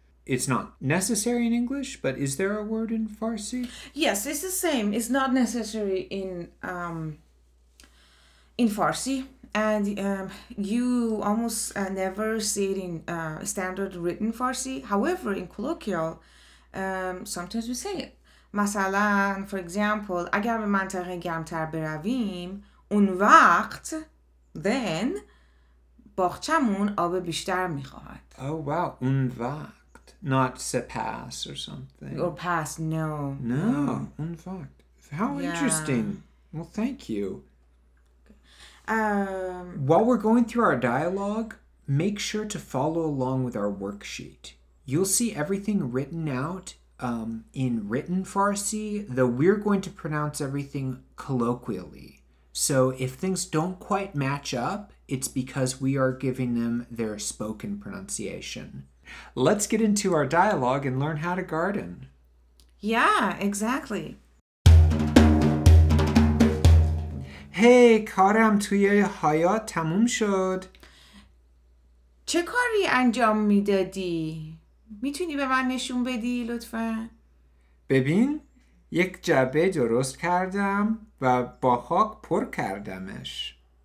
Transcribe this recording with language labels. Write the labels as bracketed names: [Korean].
[English] It's not necessary in English, but is there a word in Farsi? Yes, it's the same. It's not necessary in Farsi. And you almost never see it in standard written Farsi. However, in colloquial, sometimes we say it. [Persian] مثلا, [English] for example, [Persian] اگر به منطقه گرمتر برویم, اون وقت, then, باغچمون آب بیشتر میخواهد. [English] Oh, wow. [Persian] اون وقت. [English] Not سپس or something. Or past, no. No, [Persian] اون وقت. [English] How interesting. Yeah. Well, thank you. While we're going through our dialogue, make sure to follow along with our worksheet. You'll see everything written out in written Farsi, though we're going to pronounce everything colloquially. So if things don't quite match up, it's because we are giving them their spoken pronunciation. Let's get into our dialogue and learn how to garden. Yeah, exactly. [Persian] Hey, کارم توی حیاط تموم شد. چه کاری انجام میدادی؟ میتونی به من نشون بدی لطفا؟ ببین یک جعبه درست کردم و با خاک پر کردمش.